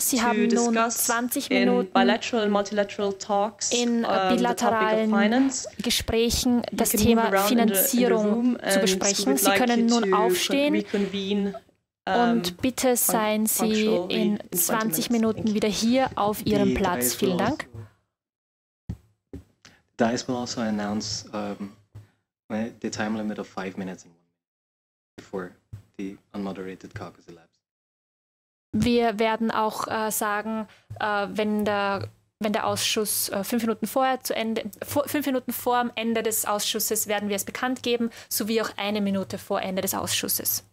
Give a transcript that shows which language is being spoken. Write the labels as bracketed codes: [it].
[de] Sie haben nun 20 Minuten in bilateralen Gesprächen das Thema Finanzierung zu besprechen. Sie können nun aufstehen und bitte seien Sie in 20 Minuten wieder hier auf Ihrem Platz. Vielen Dank. [en] DICE will also announce the time limit of 5 minutes and 1 minute before the unmoderated caucus elapses. [de] Wir werden auch sagen, wenn der Ausschuss 5 Minuten vorher zu Ende, 5 Minuten vor dem Ende des Ausschusses werden wir es bekannt geben, sowie auch 1 Minute vor Ende des Ausschusses.